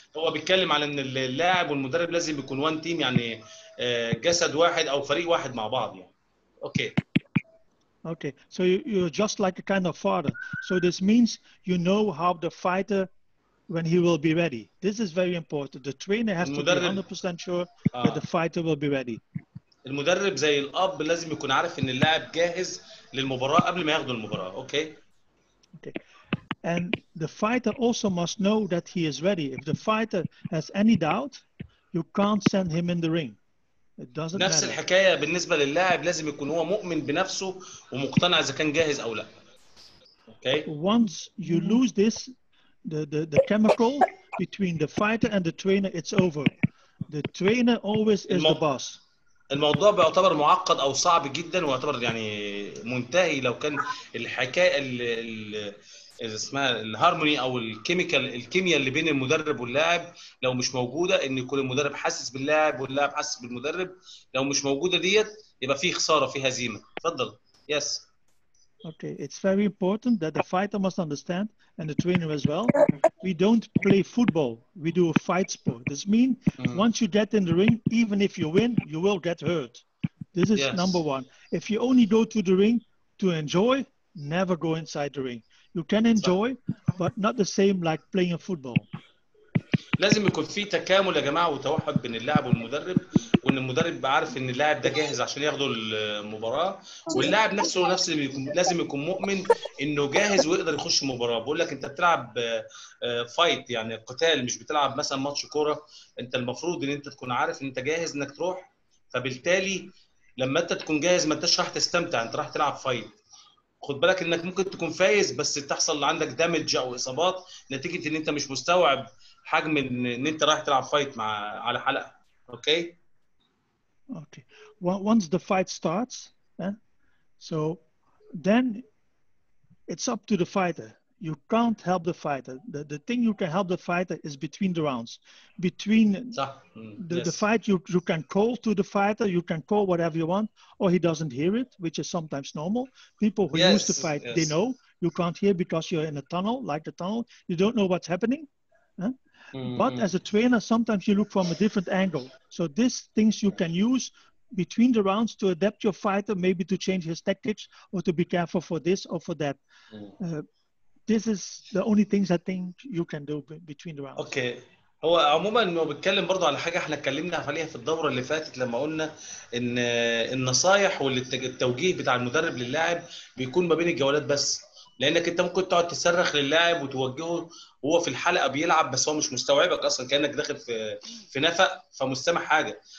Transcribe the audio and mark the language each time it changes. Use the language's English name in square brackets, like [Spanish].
[Arabic] هو بيتكلم على ان اللاعب والمدرب لازم يكون وان تيم، يعني جسد واحد او فريق واحد مع بعض يعني. [English] Okay. Okay. So you just like a kind of father. So this means you know how the fighter when he will be ready. This is very important. The trainer has المدرب. to be 100% sure that the fighter will be ready. [Arabic] المدرب زي الاب لازم يكون عارف ان اللاعب جاهز للمباراه قبل ما ياخدوا المباراه. [English] Okay. Okay. And the fighter also must know that he is ready. If the fighter has any doubt, you can't send him in the ring. It doesn't [Arabic] نفس [English] matter. [Arabic] الحكايه بالنسبه للاعب، لازم يكون هو مؤمن بنفسه ومقتنع اذا كان جاهز او لا. [English] Okay. Once you lose this, the chemical between the fighter and the trainer, it's over. The trainer always is the boss. [Arabic] الموضوع بيعتبر معقد او صعب جدا، ويعتبر يعني منتهي لو كان الحكايه اذا اسمها الهارموني او الكيميكال، الكيمياء اللي بين المدرب واللاعب لو مش موجوده، ان يكون المدرب حاسس باللاعب واللاعب حاسس بالمدرب، لو مش موجوده ديت يبقى في خساره، في هزيمه. اتفضل. يس. [English] Okay, it's very important that the fighter must understand and the trainer as well. We don't play football, we do a fight sport. This means once you get in the ring, even if you win, you will get hurt. This is yes. number one. If you only go to the ring to enjoy, never go inside the ring. You can enjoy, but not the same like playing football. [Arabic] لازم يكون في تكامل يا جماعه وتوحد بين اللاعب والمدرب، وان المدرب عارف ان اللاعب ده جاهز عشان ياخدوا المباراه، واللاعب نفسه لازم يكون مؤمن انه جاهز ويقدر يخش المباراه. بقول لك انت بتلعب فايت يعني قتال، مش بتلعب مثلا ماتش كوره، انت المفروض ان انت تكون عارف ان انت جاهز انك تروح، فبالتالي لما انت تكون جاهز ما انتش راح تستمتع، انت راح تلعب فايت. خد بالك انك ممكن تكون فايز بس تحصل عندك دامج او اصابات نتيجه ان انت مش مستوعب حجم ان انت رايح تلعب فايت مع على حلقه. [English] Okay. Okay. Once the fight starts, so then it's up to the fighter. You can't help the fighter. The thing you can help the fighter is between the rounds. Between the fight, you can call to the fighter, you can call whatever you want, or he doesn't hear it, which is sometimes normal. People who used to fight, they know you can't hear because you're in a tunnel, like the tunnel. You don't know what's happening. But as a trainer, sometimes you look from a different angle. So these things you can use between the rounds to adapt your fighter, maybe to change his tactics or to be careful for this or for that. This is the only things I think you can do between the rounds. Okay. [Arabic] هو عموما هو بيتكلم برضه على حاجه احنا اتكلمنا عليها في الدوره اللي فاتت، لما قلنا ان النصايح والتوجيه بتاع المدرب للاعب بيكون ما بين الجولات بس، لانك انت ممكن تقعد تصرخ للاعب وتوجهه وهو في الحلقه بيلعب بس هو مش مستوعبك اصلا، كانك داخل في نفق فمستمع حاجه.